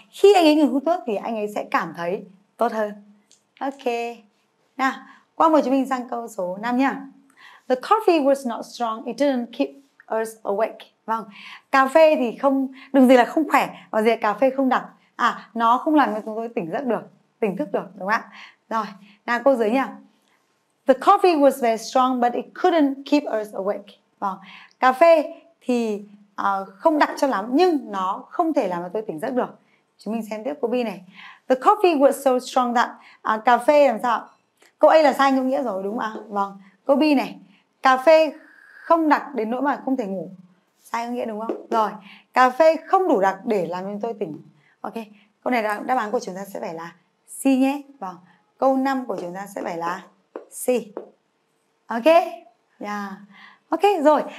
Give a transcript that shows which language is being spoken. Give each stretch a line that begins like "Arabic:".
Vietnamese: Khi anh ấy ngừng hút thuốc thì anh ấy sẽ cảm thấy tốt hơn. Ok. Nào. Qua mời chúng mình sang câu số 5 nhé.
English: The coffee was not strong. It didn't keep us awake.
Vietnamese: Vâng. Cà phê thì không, đừng gì là không khỏe. Và gì là cà phê không đặc. Nó không làm cho chúng tôi tỉnh giấc được, tỉnh thức được. Đúng không ạ? Rồi. Nào câu dưới nhé.
English: The coffee was very strong, but it couldn't keep us awake.
Vietnamese: Vâng. Cà phê thì không đặc cho lắm, nhưng nó không thể làm cho tôi tỉnh giấc được. Chúng mình xem tiếp câu B này.
English: The coffee was so strong that
Vietnamese: cà phê làm sao? Câu A là sai ngữ nghĩa rồi đúng không ạ? Vâng. Câu B này. Cà phê không đặc đến nỗi mà không thể ngủ. Sai ngữ nghĩa đúng không? Rồi. Cà phê không đủ đặc để làm cho tôi tỉnh. Ok. Câu này đáp án của chúng ta sẽ phải là C nhé. Vâng. Câu 5 của chúng ta sẽ phải là C. Ok. Yeah. Ok rồi.